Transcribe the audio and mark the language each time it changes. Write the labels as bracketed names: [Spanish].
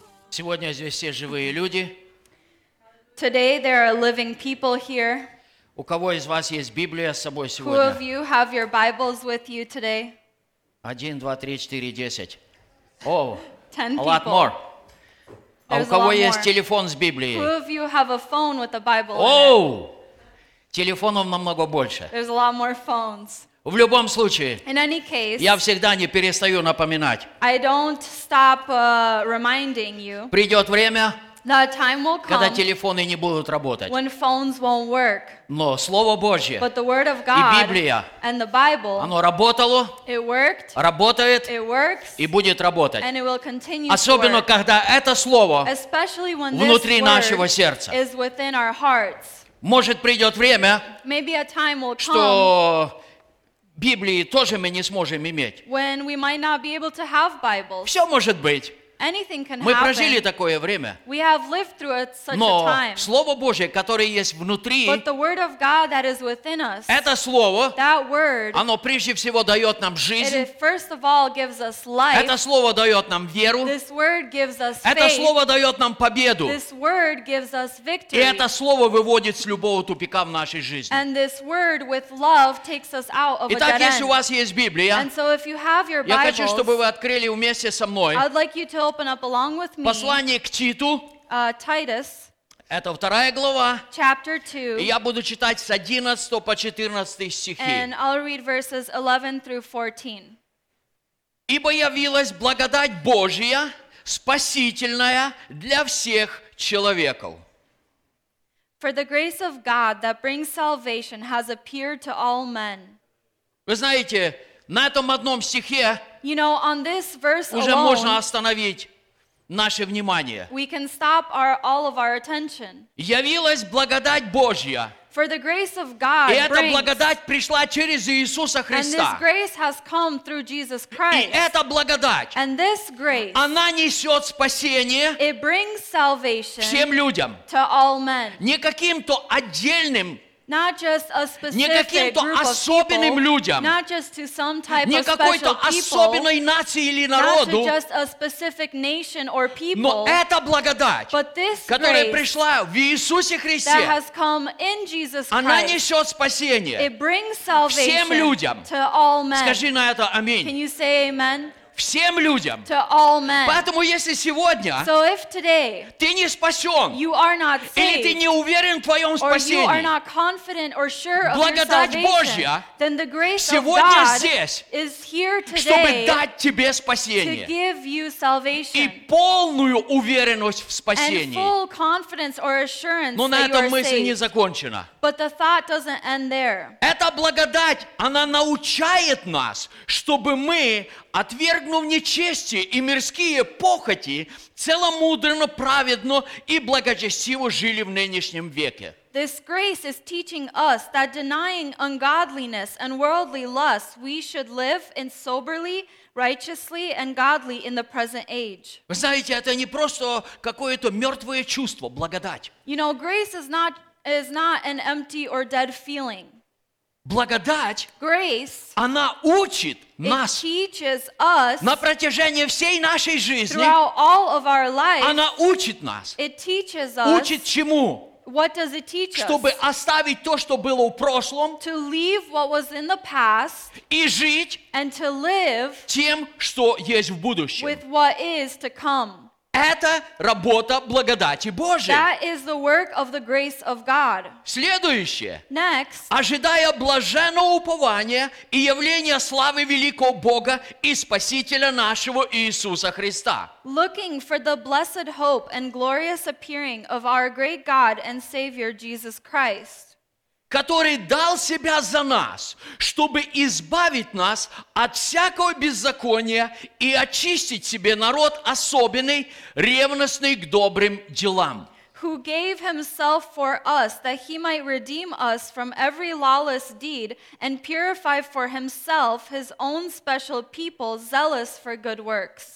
[Russian] Сегодня здесь все живые люди. [English] Today there are living people here. [Russian] У кого из вас есть Библия с собой сегодня? [English] Who of you have your Bibles with you today? [Russian] 1, 2, 3, 4, 10. О, [English] ten a lot people. More. [Russian] А у кого есть телефон с Библией? [English] Who of you have a phone with a Bible? Oh! [Russian] Телефонов намного больше. [English] There's a lot more phones. [Russian] В любом случае, [English] in any case, [Russian] я всегда не перестаю напоминать. [English] I don't stop, reminding you. [Russian] Придет время, [English] that time will come, [Russian] когда телефоны не будут работать. [English] When phones won't work. [Russian] Но Слово Божье, [English] but the Word of God, [Russian] и Библия, [English] and the Bible, [Russian] оно работало, [English] it worked, [Russian] работает, [English] it works, [Russian] и будет работать. [English] And it will continue. [Russian] Особенно, [English] to work, [Russian] когда это Слово, [English] especially when [Russian] внутри [English] this [Russian] нашего [English] word [Russian] сердца. [English] Is within our hearts. [Russian] Может, придет время, [English] maybe a time will come, [Russian] что Библии тоже мы не сможем иметь. [English] When we might not be able to have Bibles. [Russian] Все может быть. [English] Anything can happen. [Russian] Мы прожили такое время. [English] We have lived through it such a time. [Russian] Но Слово Божие, которое есть внутри, [English] but the word of God that is within us, [Russian] это Слово, [English] that word, [Russian] оно прежде всего дает нам жизнь. [English] It first of all gives us life. [Russian] Это Слово дает нам веру. [English] This word gives us faith. [Russian] Это Слово дает нам победу. [English] This word gives us victory. [Russian] И это Слово выводит с любого тупика в нашей жизни. [English] And this word with love takes us out of a dead end. [Russian] Итак, если у вас есть Библия, [English] and so if you have your Bibles, [Russian] я хочу, чтобы вы открыли вместе со мной. [English] I'd like you to open up along with me. [Russian] Послание к Титу. [English] Titus. [Russian] Это вторая глава. [English] Chapter 2. [Russian] И я буду читать с 11 по 14 стихи. [English] And I'll read verses 11 through 14. [Russian] Ибо явилась благодать Божия, спасительная для всех человеков. [English] For the grace of God that brings salvation has appeared to all men. [Russian] Вы знаете, на этом одном стихе, [English] you know, on this verse [Russian] уже [English] alone, [Russian] можно остановить наше внимание. [English] We can stop our, all of our attention. [Russian] Явилась благодать Божья. [English] For the grace of God [Russian] и эта благодать пришла через Иисуса Христа. [English] And this grace has come through Jesus Christ. [Russian] И эта благодать, [English] and this grace, [Russian] она несет спасение, [English] it brings salvation, [Russian] всем людям, [English] to all men. [Russian] Не каким-то отдельным, [English] not just a specific [Russian] не каким-то [English] group [Russian] особенным [English] people, [Russian] людям, [English] not just to some type [Russian] не какой-то особенной нации или народу, [English] not to just a specific nation or people, [Russian] но это благодать, [English] but this [Russian] которая [English] grace [Russian] пришла в Иисусе Христе, [English] that has come in Jesus Christ, [Russian] она несет спасение, [English] it brings salvation, [Russian] всем людям. [English] To all men. [Russian] Скажи на это аминь. [English] Can you say amen? [Russian] Всем людям. [English] To all men. [Russian] Поэтому если сегодня, [English] so if today, [Russian] ты не спасен, [English] you are not saved, [Russian] или ты не уверен в твоем спасении, [English] or you are not confident or sure of [Russian] благодать [English] your salvation, [Russian] Божья, [English] then the grace [Russian] сегодня [English] of God [Russian] здесь, [English] is here today, [Russian] чтобы дать тебе спасение [English] to give you salvation, [Russian] и полную уверенность в спасении. [English] And full confidence or assurance. [Russian] Но на этом [English] that you are [Russian] мысль [English] saved [Russian] не закончена. [English] But the thought doesn't end there. [Russian] Эта благодать, она научает нас, чтобы мы, отвергнув нечестие и мирские похоти, целомудренно, праведно и благочестиво жили в нынешнем веке. [English] This grace is teaching us that denying ungodliness and worldly lusts, we should live in soberly, righteously and godly in the present age. [Russian] Вы знаете, это не просто какое-то мертвое чувство, благодать. [English] You know, grace is not an empty or dead feeling. [Russian] Благодать, [English] grace, [Russian] она учит нас [English] teaches us [Russian] на протяжении всей нашей жизни. [English] Throughout all of our life, [Russian] она учит нас. [English] It teaches us, [Russian] учит чему? [English] What does it teach us? [Russian] Чтобы оставить то, что было в прошлом, [English] to leave what was in the past, [Russian] и жить [English] and to live [Russian] тем, что есть в будущем. [English] With what is to come. [Russian] Это работа благодати Божией. [English] That is the work of the grace of God. [Russian] Следующее. [English] Next. [Russian] Ожидая блаженного упования и явления славы великого Бога и Спасителя нашего Иисуса Христа. [English] Looking for the blessed hope and glorious appearing of our great God and Savior Jesus Christ. [Russian] Который дал себя за нас, чтобы избавить нас от всякого беззакония и очистить себе народ особенный, ревностный к добрым делам. [English] Who gave himself for us that he might redeem us from every lawless deed and purify for himself his own special people zealous for good works.